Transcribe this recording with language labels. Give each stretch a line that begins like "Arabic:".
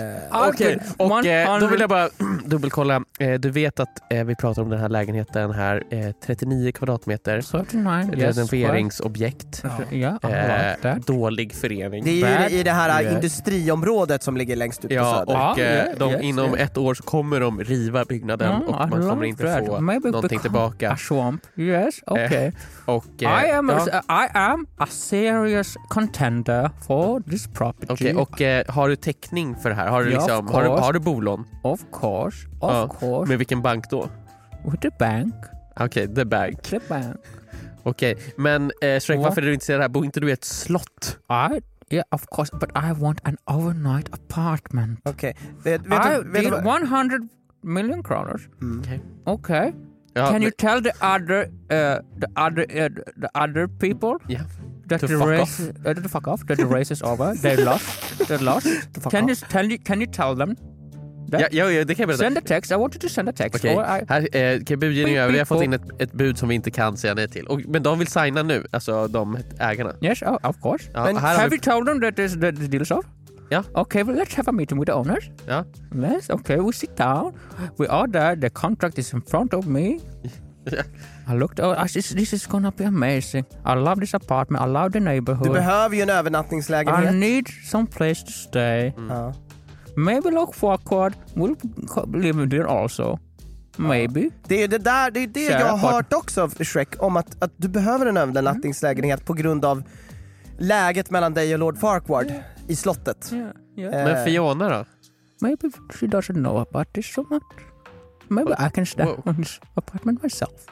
Swedish: Okej, då vill jag bara dubbelkolla. Du vet att vi pratar om den här lägenheten här, 39 kvadratmeter. 39, renoveringsobjekt. Dålig förening. Det är ju i det här industriområdet som ligger längst ut på söder. Och inom ett år så kommer de riva byggnaden och man kommer inte få någonting tillbaka.
English: A swamp. Yes, okay.
Swedish: Och,
English: I am a serious contender for this property.
Swedish: Okej, och har du täckning för det här? Har du har du bolån?
English: Of course.
Swedish: Med vilken bank då?
English: With the bank. Okej, okay, the bank.
Swedish: Okej, okay, men Shrek, varför är du intresserad av det här? Bor inte du i ett slott?
English: Yeah, of course, but I want an overnight apartment.
Swedish: Okej.
English: Okay. 100 million kronor.
Swedish: Okej.
English: Ja, can you tell the other people? Yeah. That the race is over. They lost. Can you tell them?
Swedish: Ja, det kan jag.
English: Send a text. I wanted to send a text. Okay.
Swedish: Kan jag bjuda in över? Vi har fått in ett bud som vi inte kan säga nej till. Men de vill signa nu, alltså de ägarna.
English: Yes, of course. Ja, have you told them that is the deal is off? Yeah. Okay, well, let's have a meeting with the owners. Yeah. Yes, okay, we sit down. We are there. The contract is in front of me. Yeah. I looked, this is going to be amazing. I love this apartment. I love the neighborhood.
Swedish: Du behöver ju en övernattningslägenhet.
English: I need some place to stay. Maybe look for a court. We'll live there also. Maybe.
Swedish: Det är det jag har hört också av Shrek, om att du behöver en övernattningslägenhet på grund av läget mellan dig och Lord Farquaad. Yeah. I slottet. Men Fiona då?
English: Maybe she doesn't know about this so much. Maybe I can stay in this apartment myself.